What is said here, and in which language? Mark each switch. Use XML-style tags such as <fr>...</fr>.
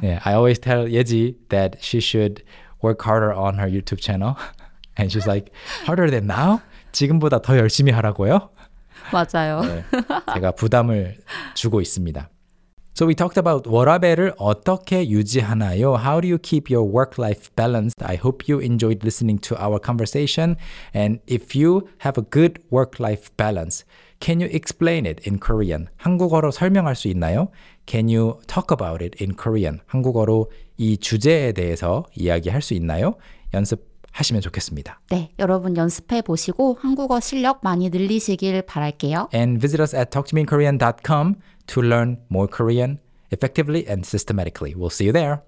<en>Yeah, I always tell Yeji that she should work harder on her YouTube channel. And she's like, harder than now?</en> <ko>지금보다 더 열심히 하라고요? 맞아요. 네, 제가 부담을 주고 있습니다.</ko> <en>So we talked about</en> <ko>워라벨을 어떻게 유지하나요?</ko> <en>How do you keep your work-life balanced? I hope you enjoyed listening to our conversation. And if you have a good work-life balance, can you explain it in Korean?</en> <ko>한국어로 설명할 수 있나요?</ko> <en>Can you talk about it in Korean?</en> <ko>한국어로 이 주제에 대해서 이야기할 수 있나요? 연습하시면 좋겠습니다. 네, 여러분 연습해 보시고 한국어 실력 많이 늘리시길 바랄게요.</ko> <en>And visit us at talktomeinkorean.com. To learn more Korean effectively and systematically. We'll see you there.</en>